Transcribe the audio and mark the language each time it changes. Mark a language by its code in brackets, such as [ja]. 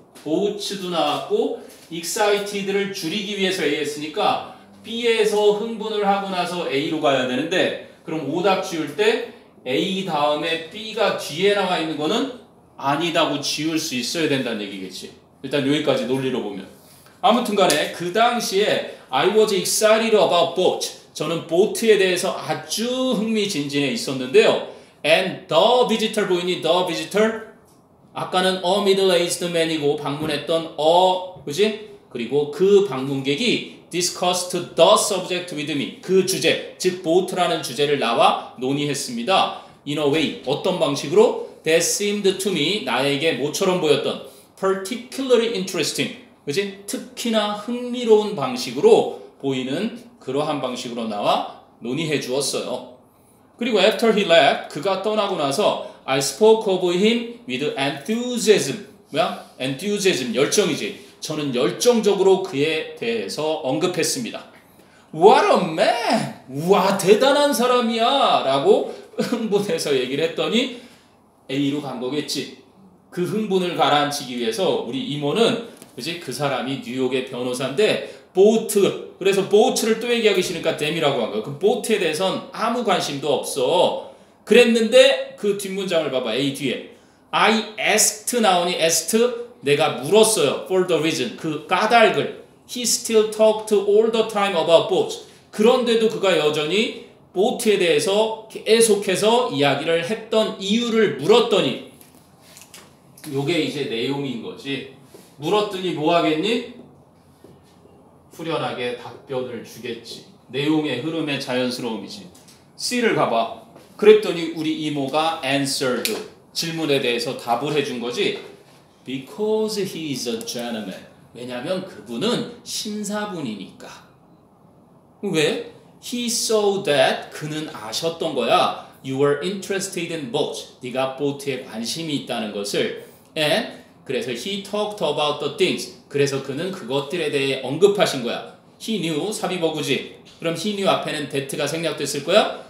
[ko] boats도 나왔고 excited를 줄이기 위해서 A 했으니까 B에서 흥분을 하고 나서 A로 가야 되는데 그럼 오답 지울 때 A 다음에 B가 뒤에 나와 있는 거는 아니다고 지울 수 있어야 된다는 얘기겠지. 일단 여기까지 논리로 보면. 아무튼간에 그 당시에 [en] I was excited about boat. [ko] 저는 보트에 대해서 아주 흥미진진해 있었는데요. [en] And the visitor [ko] 보이니? [en] The visitor? [ko] 아까는 [en] a middle-aged man [ko] 이고 방문했던 a, 그지? 그리고 그 방문객이 [en] discussed the subject with me. [ko] 그 주제, 즉 보트라는 주제를 나와 논의했습니다. [en] In a way, [ko] 어떤 방식으로? [en] That seemed to me, [ko] 나에게 모처럼 보였던 [en] particularly interesting, 그지? [ko] 특히나 흥미로운 방식으로 보이는 그러한 방식으로 나와 논의해 주었어요. [en] 그리고 after he left, [ko] 그가 떠나고 나서 [en] I spoke of him with enthusiasm. [ko] 뭐야? Enthusiasm, 열정이지. 저는 열정적으로 그에 대해서 언급했습니다. [en] What a man! [ko] 우와, 대단한 사람이야! 라고 흥분해서 얘기를 했더니 A로 간 거겠지. 그 흥분을 가라앉히기 위해서 우리 이모는 그지? 그 사람이 뉴욕의 변호사인데 보트, 그래서 보트를 또 얘기하기 싫으니까 댐이라고 한 거야. 그 보트에 대해서는 아무 관심도 없어. 그랬는데 그 뒷문장을 봐봐. A 뒤에 [en] I asked [ko] 나오니 asked? 내가 물었어요. [en] For the reason. [ko] 그 까닭을. [en] He still talked all the time about boats. [ko] 그런데도 그가 여전히 보트에 대해서 계속해서 이야기를 했던 이유를 물었더니 요게 이제 내용인 거지. 물었더니 뭐 하겠니? 후련하게 답변을 주겠지. 내용의 흐름의 자연스러움이지. C를 가봐. 그랬더니 우리 이모가 answered. 질문에 대해서 답을 해준 거지. [en] Because he is a gentleman. [ko] 왜냐면 그분은 신사분이니까. 왜? [en] He saw that. [ko] 그는 아셨던 거야. [en] You were interested in boats. [ko] 네가 보트에 관심이 있다는 것을. [en] And [ko] 그래서 [en] he talked about the things. [ko] 그래서 그는 그것들에 대해 언급하신 거야. [en] He knew. [ko] 삽입어구지. 그럼 [en] he knew [ko] 앞에는 that가 생략됐을 거야.